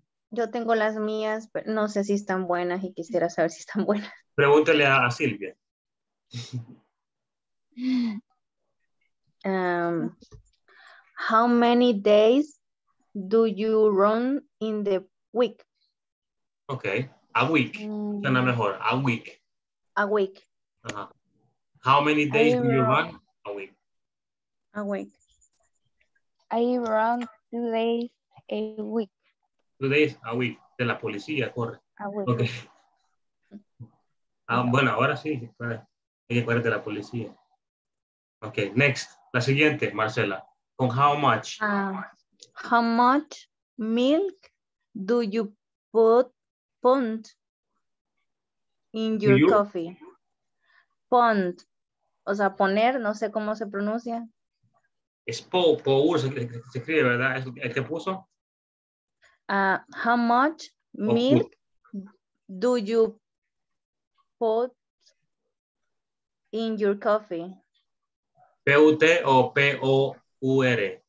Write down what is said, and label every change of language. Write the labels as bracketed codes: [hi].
[es] Yo tengo las mías, pero no sé si están buenas y quisiera saber si están buenas. Pregúntele a Silvia. [en] How many days do you run in the week? Okay. A week, [es] suena mejor, [en] a week. A week. Uh-huh. How many days do you run? A week. A week. I run 2 days a week. 2 days a week, [es] de la policía, corre. [en] A week. Okay. [es] Bueno, ahora sí, hay que correr de la policía. [en] Okay, next, [es] la siguiente, Marcela. Con how much? [en] How much milk do you pound in your coffee? Pound. [es] O sea, poner, no sé cómo se pronuncia. Es pour, se escribe, ¿verdad? Es el que puso. [en] How much milk do you put in your coffee? P-U-T o P-O-U-R?